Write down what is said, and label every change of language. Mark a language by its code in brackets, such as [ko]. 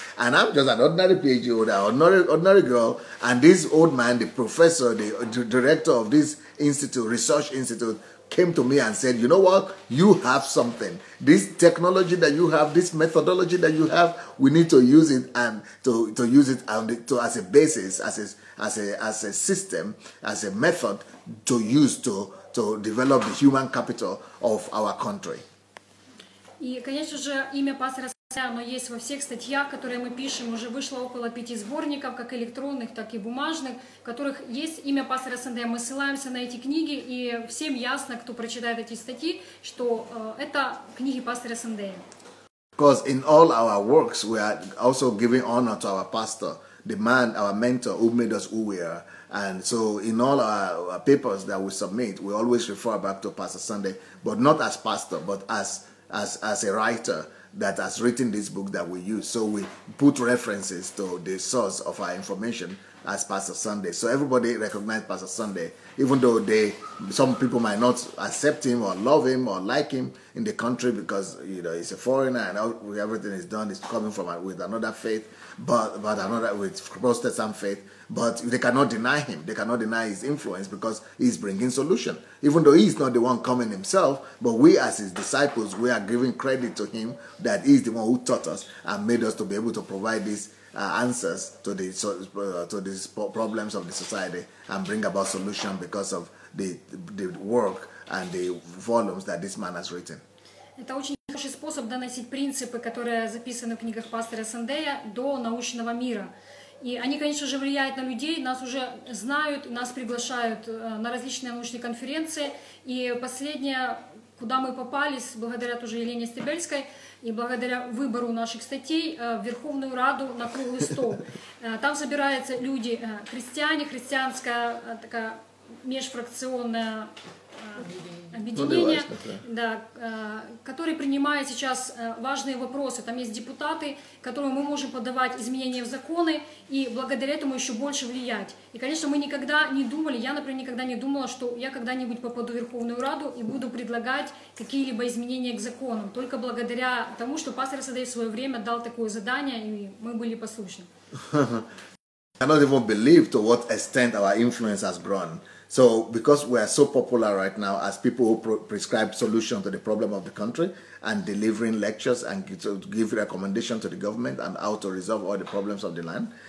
[en] And I'm just an ordinary PhD holder, ordinary girl. And this old man, the professor, the director of this institute, research institute, came to me and said, you know what, you have something. This technology that you have, this methodology that you have, we need to use it and to use it and to as a basis, as a system, as a method to use to develop the human capital of our country. [ru] И, конечно же, имя пастора Сандея, оно есть во всех статьях, которые мы пишем. Уже вышло около 5 сборников, как электронных, так и бумажных, в которых есть имя пастора Сандея. Мы ссылаемся на эти книги, и всем ясно, кто прочитает эти статьи, что это книги пастора Сандея. [en] Because in all our works, we are also giving honor to our pastor, the man, our mentor, who made us who we are. And so in all our papers that we submit, we always refer back to Pastor Sunday, but not as pastor, but as a writer that has written this book that we use. So we put references to the source of our information as Pastor Sunday. So everybody recognize Pastor Sunday, even though some people might not accept him or love him or like him in the country because, you know, he's a foreigner and everything he's done is coming from with another faith, but another with Protestant faith. But they cannot deny him. They cannot deny his influence because he's bringing solution. Even though he's not the one coming himself, but we as his disciples, we are giving credit to him that he's the one who taught us and made us to be able to provide these answers to these problems of the society and bring about solution because of the work and the volumes that this man has written. [ru] Способ доносить принципы, которые записаны в книгах пастора Сандея, до научного мира. И они, конечно же, влияют на людей, нас уже знают, нас приглашают на различные научные конференции. И последнее, куда мы попались, благодаря тоже Елене Стебельской и благодаря выбору наших статей, в Верховную Раду на круглый стол. Там собираются люди, христиане, христианская такая межфракционная объединение, да, которые принимают сейчас важные вопросы. Там есть депутаты, которым мы можем подавать изменения в законы и благодаря этому еще больше влиять. И, конечно, мы никогда не думали, я, например, никогда не думала, что я когда-нибудь попаду в Верховную Раду и буду предлагать какие-либо изменения к законам. Только благодаря тому, что пастор Садей в свое время дал такое задание, и мы были послушны. [en] I cannot even believe to what extent our influence has grown. So because we are so popular right now as people who prescribe solutions to the problem of the country and delivering lectures and give recommendations to the government on how to resolve all the problems of the land.